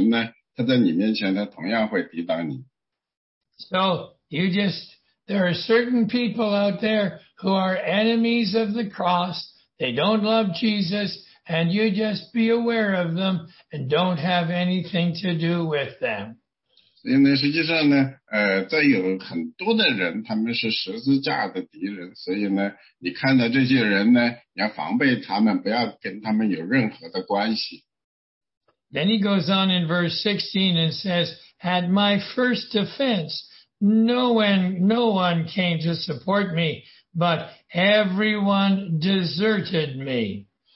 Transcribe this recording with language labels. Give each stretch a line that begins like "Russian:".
Chinese: 实际上当你看到那些抵挡神的话的人呢，你就要防备他。他如果在其他的地方抵挡神呢，他在你面前他同样会抵挡你。
English: So you just... There are certain people out there who are enemies of the cross. They don't love Jesus, and you just be aware of them and don't have anything to do with them.
Chinese: 所以呢，实际上呢，在有很多的人，他们是十字架的敌人。所以呢，你看到这些人呢，要防备他们，不要跟他们有任何的关系。
English: Then he goes on in verse 16 and says, "At my first defense, No one came to support me, but everyone deserted me."